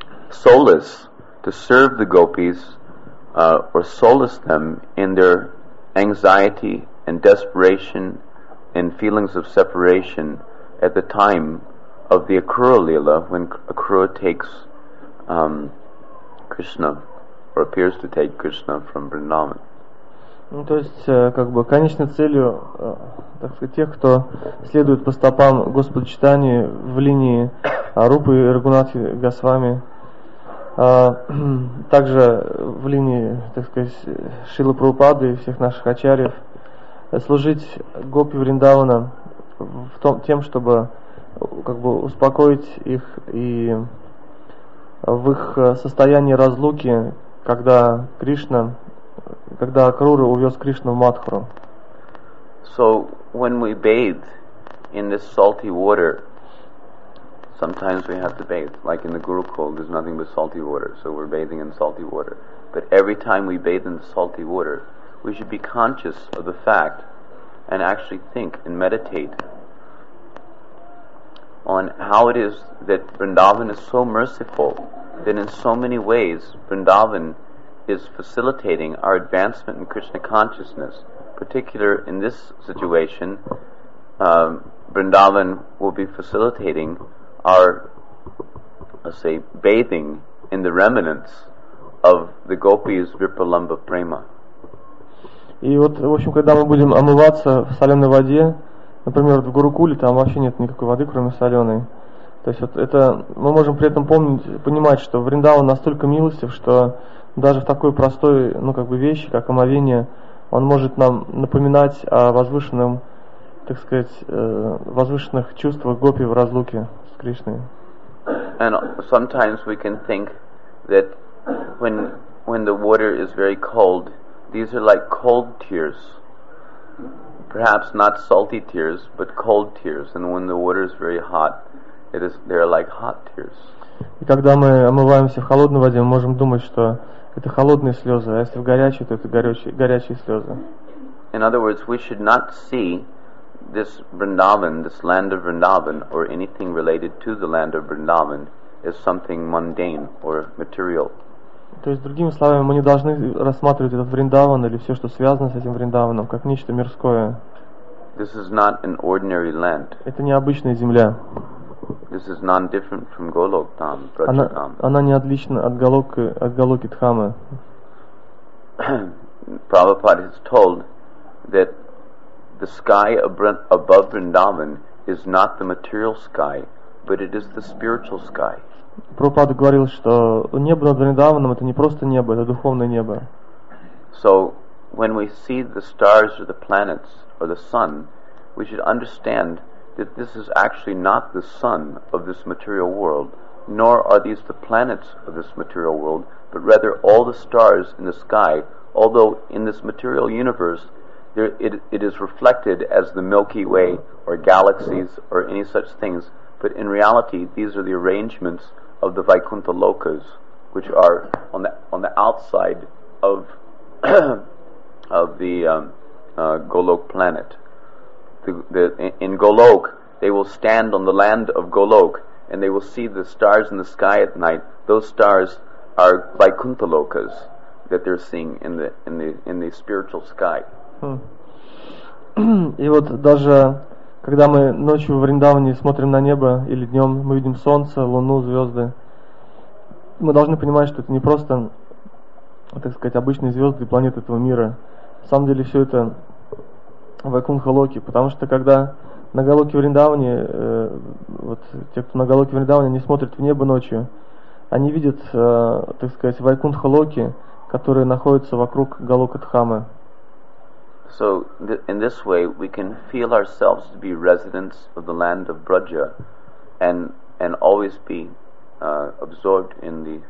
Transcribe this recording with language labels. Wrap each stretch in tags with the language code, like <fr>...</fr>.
<en>solace to serve the gopis or solace them in their anxiety and desperation and feelings of separation at the time of the Akura Lila, when Akura takes Krishna, or appears to take Krishna from Vrindavan.</en> <ru>Ну, то есть, как бы, конечной целью, так сказать, тех, кто следует по стопам Господа Чайтаньи в линии Рупы и Рагунатхи Госвами, также в линии, так сказать, Шрилы Прабхупады и всех наших ачарьев, служить гопи Вриндавана в том, тем, чтобы как бы успокоить их и в их состоянии разлуки, когда Кришна, когда Акрура увез Кришну в Матхуру.</ru> <en>So when we bathe in this salty water, sometimes we have to bathe, like in the Gurukul, there's nothing but salty water, so we're bathing in salty water. But every time we bathe in the salty water, we should be conscious of the fact and actually think and meditate on how it is that Vrindavan is so merciful, that in so many ways Vrindavan is facilitating our advancement in Krishna consciousness. Particularly in this situation, Vrindavan will be facilitating our, let's say, bathing in the remnants of the gopis Vipralamba Prema.</en> <ru>И вот, в общем, когда мы будем омываться в соленой воде, например, в Гурукуле, там вообще нет никакой воды, кроме соленой. То есть вот это мы можем при этом помнить, понимать, что Вриндаван настолько милостив, что даже в такой простой, ну как бы вещи, как омовение, он может нам напоминать о возвышенном, так сказать, возвышенных чувствах гопи в разлуке с Кришной.</ru> <en>And sometimes we can think that when the water is very cold, these are like cold tears. Perhaps not salty tears, but cold tears. And when the water is very hot, they are like hot tears.</en> <ru>И когда мы омываемся в холодной воде, мы можем думать, что это холодные слезы, а если в горячей, то это горячие слезы.</ru> <en>In other words, we should not see this Vrindavan, this land of Vrindavan, or anything related to the land of Vrindavan, as something mundane or material.</en> <ru>То есть, другими словами, мы не должны рассматривать этот Вриндаван или все, что связано с этим Вриндаваном, как нечто мирское.</ru> <en>This is not an ordinary land.</en> <ru>Это не обычная земля.</ru> <en>This is not different from Golok Dham, Brajadham.</en> <ru>Она не отлична от Голоки Дхамы.</ru> <en>Prabhupada has told that the sky above Vrindavan is not the material sky, but it is the spiritual sky.</en> <ru>Прабхупада говорил, что небо над Вриндаваном это не просто небо, это духовное небо.</ru> <en>So when we see the stars or the planets or the sun, we should understand that this is actually not the sun of this material world, nor are these the planets of this material world, but rather all the stars in the sky, although in this material universe it is reflected as the Milky Way or galaxies or any such things, but in reality these are the arrangements of the Vaikuntha Lokas, which are on the outside of of the Golok planet. In Golok, they will stand on the land of Golok, and they will see the stars in the sky at night. Those stars are Vaikuntha Lokas that they're seeing in the spiritual sky.</en> <ru>И вот даже когда мы ночью в Вриндаване смотрим на небо или днем мы видим солнце, луну, звезды. Мы должны понимать, что это не просто, так сказать, обычные звезды и планеты этого мира. На самом деле все это Вайкунтха Локи, потому что когда на Голоке Вриндаване, вот те, кто на Голоке Вриндаване, они смотрят в небо ночью, они видят, так сказать, Вайкунтха Локи, которые находятся вокруг Голока Дхамы.</ru> <en>So in this way we can feel ourselves to be residents of the land of Braja and always be absorbed in</en>